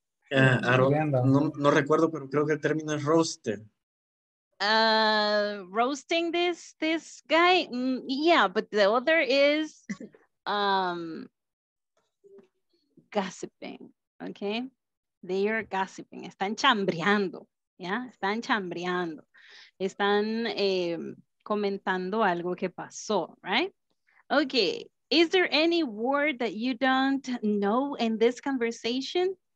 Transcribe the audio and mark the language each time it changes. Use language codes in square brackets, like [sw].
[es] No recuerdo, pero creo que el término es roster. [en] Roasting this guy, yeah, but the other is gossiping, okay? They are gossiping, [es] están chambreando, [en] yeah? [es] Están chambreando, están comentando algo que pasó, right? [en] Okay, is there any word that you don't know in this conversation?